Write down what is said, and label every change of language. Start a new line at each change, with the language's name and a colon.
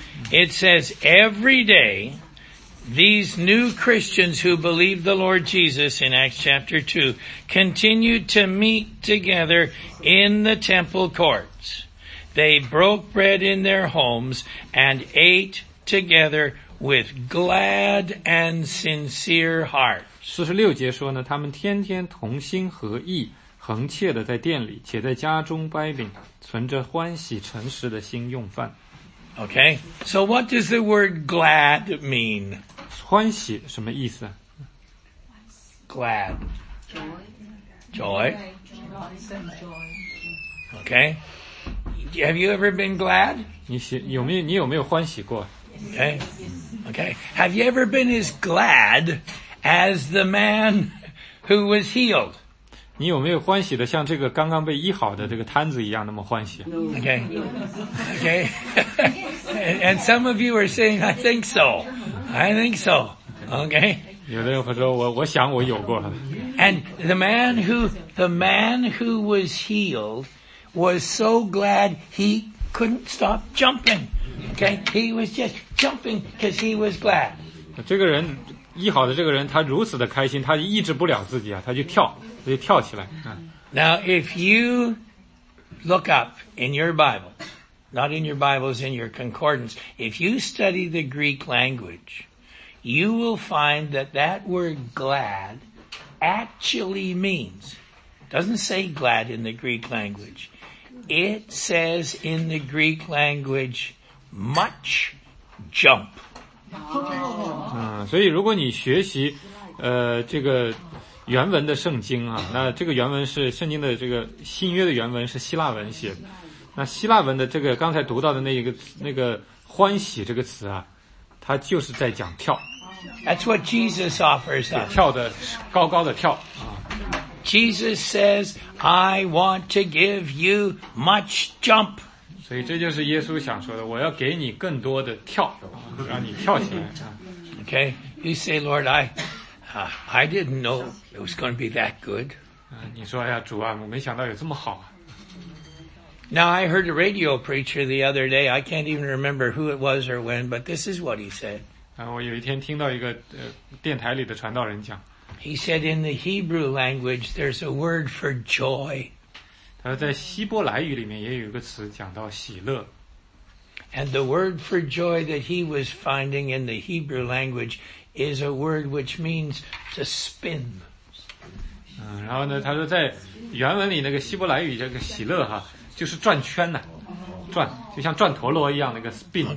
English: It says, every day, these new Christians who believed the Lord Jesus in Acts chapter 2 continued to meet together in the temple courts. They broke bread in their homes and ate together with glad and sincere hearts.
Chinese: 46节说呢，他们天天同心合意，恒切地在殿里，且在家中掰饼，存着欢喜诚实的心用饭。
English: Okay, so what does the word glad mean?
Chinese: 欢喜什么意思？
English: Glad. Joy. Okay. Have you ever been glad?
Chinese: 你有没有欢喜过？
English: Okay. Have you ever been as glad as the man who was healed?
Chinese: 你有没有欢喜的像这个刚刚被医好的这个摊子一样那么欢喜？
English: Okay. Okay. And some of you are saying, I think so. I think so. Okay.
Chinese: 有的人会说我想我有过了。
English: And the man who was healed was so glad he couldn't stop jumping. Okay. He was just jumping because he was glad.
Chinese: 这个人医好的这个人他如此的开心，他抑制不了自己啊，他就跳起来。
English: Now, if you look up in your Bible,not in your Bibles, in your concordance. If you study the Greek language, you will find that that word glad actually means. It doesn't say glad in the Greek language. It says in the Greek language, much jump. So if you study
Chinese: 原文的圣经啊，那这个原文是圣经的这个新约的原文是希腊文写的。那希腊文的这个刚才读到的那个欢喜这个词啊，它就是在讲跳。
English: That's what Jesus offers us.
Chinese: 跳的高高的跳啊。
English: Jesus says, "I want to give you much jump."
Chinese: 所以这就是耶稣想说的，我要给你更多的跳，让你跳起来。
English: Okay, you say, Lord, I didn't know it was going to be that good.
Chinese: 你说哎呀，主啊，我没想到有这么好啊。
English: Now I heard a radio preacher the other day. I can't even remember who it was or when, but this is what he said.
Chinese: 我有一天听到一个电台里的传道人讲。
English: He said in the Hebrew language, there's a word for joy.
Chinese: 他说在希伯来语里面也有一个词讲到喜乐。
English: And the word for joy that he was finding in the Hebrew language is a word which means to spin.
Chinese: 然后呢，他说在原文里那个希伯来语这个喜乐哈，就是转圈呢，转就像转陀螺一样那个 spin.